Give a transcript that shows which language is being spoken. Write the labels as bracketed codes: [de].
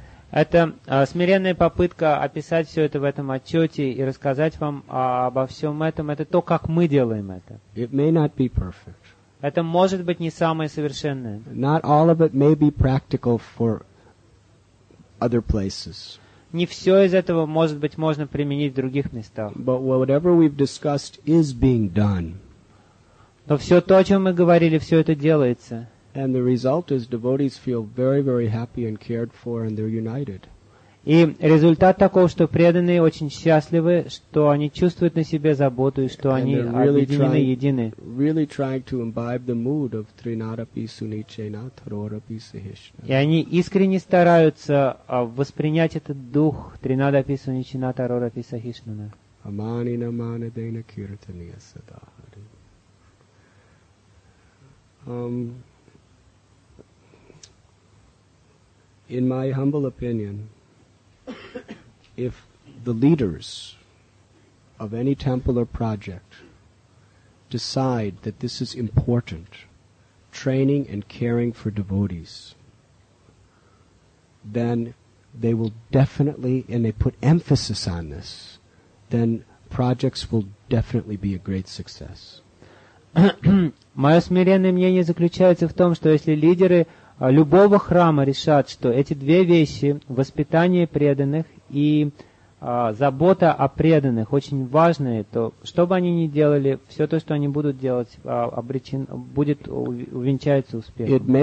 [ru] Это смиренная попытка описать все это в этом отчете и рассказать вам обо всем этом. Это то, как мы делаем это. [en] It may not be perfect. [ru] Это может быть не самое совершенное. [en] Not all of it may be practical for other places. [ru] Не все из этого, может быть, можно применить в других местах. [en] But whatever we've discussed is being done. [ru] Но все то, о чем мы говорили, все это делается. [en] And the result is devotees feel very, very happy and cared for, and they're united. [ru] И результат такого, что преданные очень счастливы, что они чувствуют на себе заботу и что они объединены, едины. [en] Really trying to imbibe the mood of [sa] Trinadapi Sunichena Tarorapi Sahishna. [ru] И они искренне стараются воспринять этот дух [sa] Trinadapi Sunichena Tarorapi Sahishna. Amani namane dena kirtaniya sadahari. [en] In my humble opinion, if the leaders of any temple or project decide that this is important, training and caring for devotees, then they will definitely, and they put emphasis on this, then projects will definitely be a great success. [ru] Мое смиренное мнение заключается в том, что если лидеры любого храма решат, что эти две вещи, воспитание преданных и забота о преданных, очень важные, то что бы они ни делали, все то, что они будут делать, будет увенчаться успехом.